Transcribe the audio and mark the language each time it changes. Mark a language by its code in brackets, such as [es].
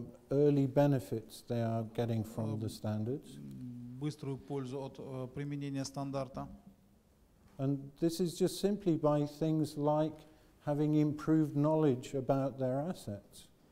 [en] Early benefits they are getting from the standards. [ru] Быструю пользу от применения стандарта. [en] And this is just simply by things like having improved knowledge about their assets.